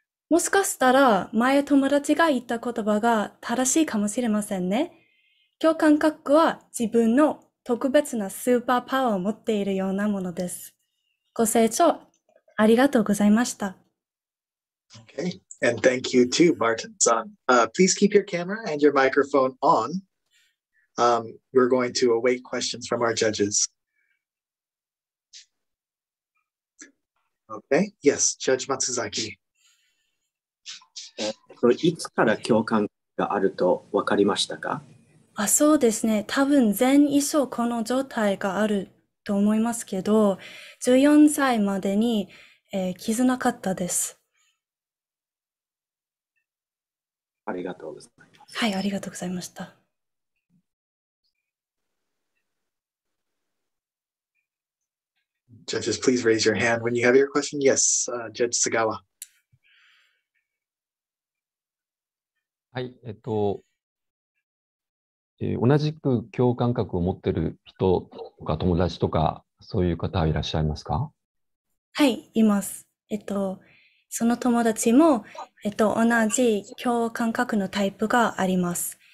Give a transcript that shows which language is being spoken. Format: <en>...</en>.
<ja>もしかしたら、前友達が言った言葉が正しいかもしれませんね。共感覚は自分の特別なスーパーパワーを持っているようなものです。ご清聴ありがとうございました。</ja> <en>Okay, and thank you too, Barton-san. Please keep your camera and your microphone on. We're going to await questions from our judges. Okay, yes, Judge Matsuzaki.</en> <ja>いつから共感があると分かりましたか？あ、そうですね。多分全以上この状態があると思いますけど、14歳までに、気づなかったです。ありがとうございます。はい、ありがとうございました。</ja> <en>Judges, please raise your hand when you have your question. Yes, Judge Sagawa.</en> <ja>はい、同じく共感覚を持ってる人とか友達とかそういう方はいらっしゃいますか？はい、います。その友達も、同じ共感覚のタイプがあります。</ja>